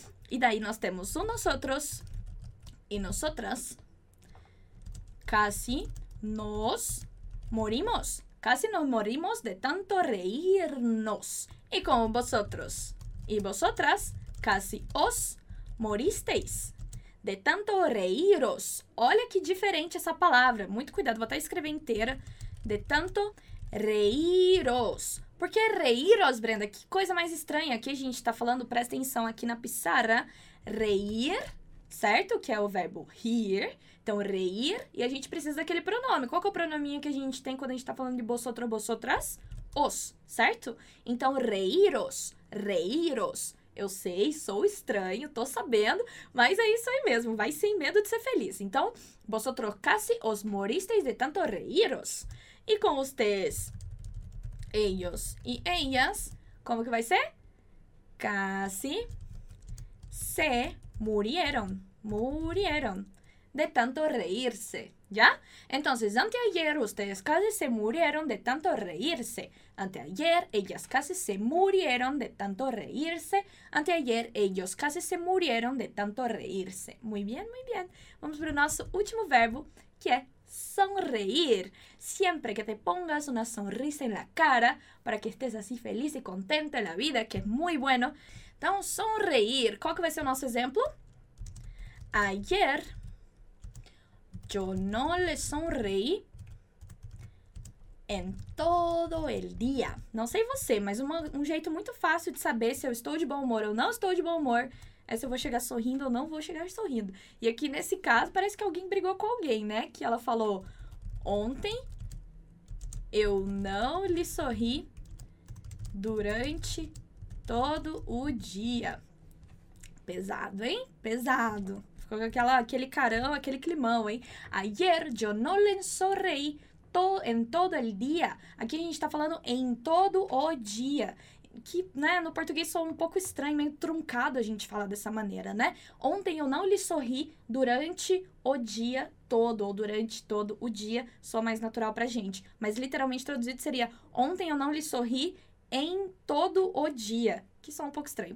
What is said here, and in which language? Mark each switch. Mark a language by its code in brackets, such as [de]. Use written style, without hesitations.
[es] Y de ahí nos tenemos un nosotros y nosotras. Casi nos morimos. Casi nos morimos de tanto reírnos. Y con vosotros y vosotras, casi os moristeis de tanto reíros. [pt] Olha que diferente essa palavra. Muito cuidado, vou até escrever inteira. [es] De tanto reíros. [pt] Por que [es] reíros, Brenda? [pt] Que coisa mais estranha. Aqui a gente tá falando, presta atenção aqui na pissarra. Reír, certo? Que é o verbo rir. Então, reír. E a gente precisa daquele pronome. Qual que é o pronominha que a gente tem quando a gente tá falando de vosotros, vosotras? Os, certo? Então, reíros, reíros. Eu sei, sou estranho, tô sabendo, mas é isso aí mesmo, vai sem medo de ser feliz. [es] Então, vosotros casi os moristeis de tanto reíros. [pt] E com vocês, ellos e ellas, como que vai ser? [es] Casi se murieron, murieron de tanto reírse. ¿Ya? Entonces, anteayer, ustedes casi se murieron de tanto reírse. Anteayer, ellas casi se murieron de tanto reírse. Anteayer, ellos casi se murieron de tanto reírse. Muy bien, muy bien. [pt] Vamos para o nosso último verbo, que é sonreír. [es] Siempre que te pongas una sonrisa en la cara, para que estés así feliz y contento en la vida, que es muy bueno. Então, sonreír. ¿Cuál que va a ser [pt] o nosso exemplo? [es] Ayer, yo no le sonreí en todo el día. [pt] Não sei você, mas um jeito muito fácil de saber se eu estou de bom humor ou não estou de bom humor é se eu vou chegar sorrindo ou não vou chegar sorrindo. E aqui nesse caso, parece que alguém brigou com alguém, né? Que ela falou, ontem eu não lhe sorri durante todo o dia. Pesado, hein? Pesado. Ficou com aquele carão, aquele climão, hein? [es] Ayer yo no le sonreí en todo el día. [pt] Aqui a gente tá falando em todo o dia. Que, né, no português soa um pouco estranho, meio truncado a gente falar dessa maneira, né? Ontem eu não lhe sorri durante o dia todo, ou durante todo o dia, soa mais natural pra gente. Mas literalmente traduzido seria, ontem eu não lhe sorri em todo o dia. Que soa um pouco estranho.